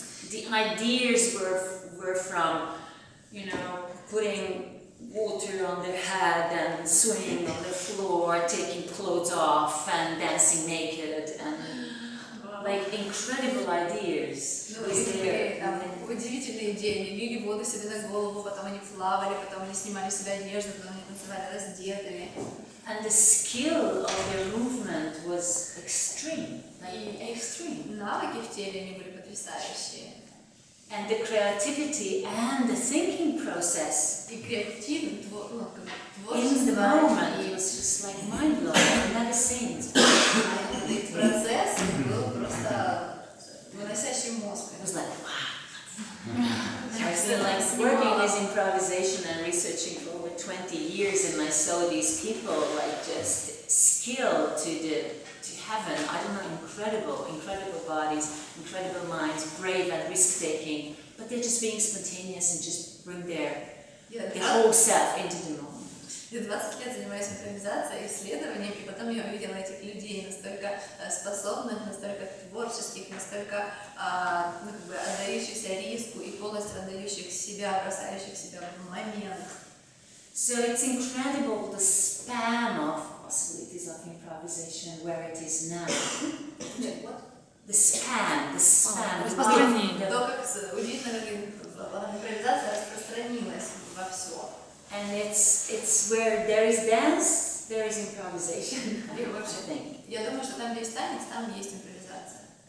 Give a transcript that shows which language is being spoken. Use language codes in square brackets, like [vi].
[en] The ideas were from, you know, putting water on their head and swimming on the floor, taking clothes off and dancing naked and like incredible ideas. [ru] Ну, удивительные идеи. Они лили воду себе на голову, потом они плавали, потом они снимали себя одежду, потом они танцевали раздетыми. [en] And the skill of their movement was extreme. [ru] Навыки в теле они были потрясающие. [en] And the creativity and the thinking process. [ru] И креативный творческий. [en] In the moment, it was just like mind blowing. Never seen. [ru] И процесс был просто выносящий мозг. [en] It was like wow. I've been like working as improvisation and researching for over 20 years, and I saw these people like just skilled to heaven. I don't know, incredible bodies, incredible minds, brave and risk taking, but they're just being spontaneous and just bring their whole self into the moment. [ru] Я 20 лет занимаюсь импровизацией, исследованием, и потом я увидела этих людей настолько способных, настолько творческих, настолько ну как бы отдающихся риску и полностью отдающих себя, бросающих себя в момент. [en] So it's incredible the span of possibilities of improvisation where it is now. The span. [ru] То, как импровизация распространилась во все. [en] And it's where there is dance, there is improvisation. [ru] И вообще, я думаю, что там, где есть танец, там есть импровизация.